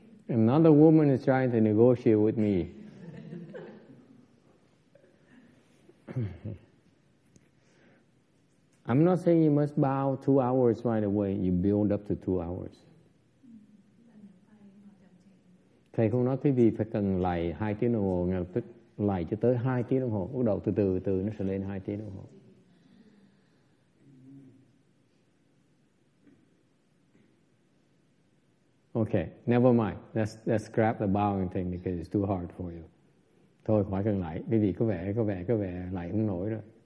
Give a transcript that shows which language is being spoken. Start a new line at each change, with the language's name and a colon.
English: Another woman is trying to negotiate with me. I'm not saying you must bow 2 hours right away. You build up to 2 hours.
Vietnamese: Thầy không nói quý vị phải cần lạy 2 tiếng đồng hồ, ngay lập tức lạy cho tới 2 tiếng đồng hồ. Bắt đầu từ từ, từ nó sẽ lên 2 tiếng đồng hồ.
English: Okay, never mind. Let's scrap the bowing thing because it's too hard for you.
Vietnamese: Thôi, khỏi cần lạy. Quý vị có vẻ lạy không nổi rồi.